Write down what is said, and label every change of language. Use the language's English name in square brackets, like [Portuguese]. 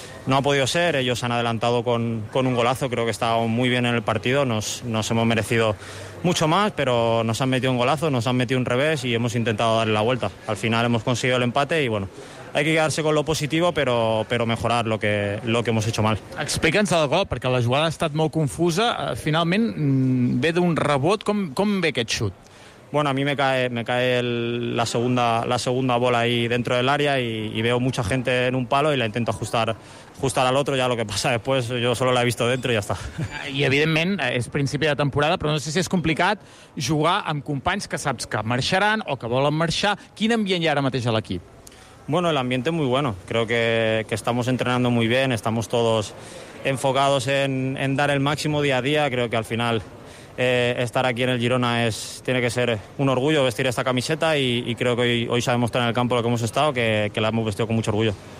[Spanish] No ha podido ser, ellos han adelantado con un golazo, creo que estábamos muy bien en el partido, nos hemos merecido mucho más, pero nos han metido un golazo, nos han metido un revés y hemos intentado darle la vuelta. Al final hemos conseguido el empate y bueno, hay que quedarse con lo positivo, pero mejorar lo que hemos hecho mal. [Catalan] Explica'ns el gol, perquè la jugada ha estat molt confusa. Finalment, ve d'un rebot. Com ve aquest xut? [Spanish] Bueno, a mí me cae la segunda bola ahí dentro del área y veo mucha gente en un palo y la intento ajustar al otro. Ya lo que pasa después, yo solo la he visto dentro y ya está. [Catalan] I, evidentment, és principi de temporada, però no sé si és complicat jugar amb companys que saps que marxaran o que volen marxar. Quin ambient hi ha ara mateix a l'equip? [Spanish] Bueno, el ambiente es muy bueno, creo que estamos entrenando muy bien, estamos todos enfocados en dar el máximo día a día. Creo que al final estar aquí en el Girona tiene que ser un orgullo vestir esta camiseta y creo que hoy se ha demostrado en el campo lo que hemos estado, que la hemos vestido con mucho orgullo.